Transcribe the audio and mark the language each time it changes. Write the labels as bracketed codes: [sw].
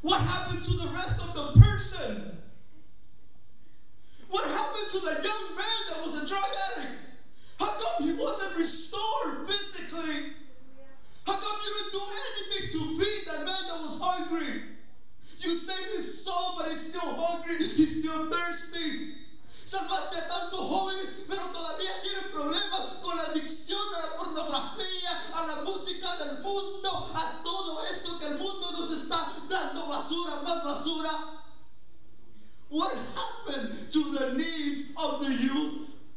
[en] What happened to the rest of the person? What happened to the young man that was a drug addict? How come he wasn't restored physically? How come you didn't do anything to feed that man that was hungry? You saved his soul, but he's still hungry. He's still thirsty. [es] Salvaste a tantos jóvenes, pero todavía tienen problemas con la adicción a la pornografía, a la música del mundo, a todo esto que el mundo nos está dando basura, más basura. [en] What happened to the needs of the youth?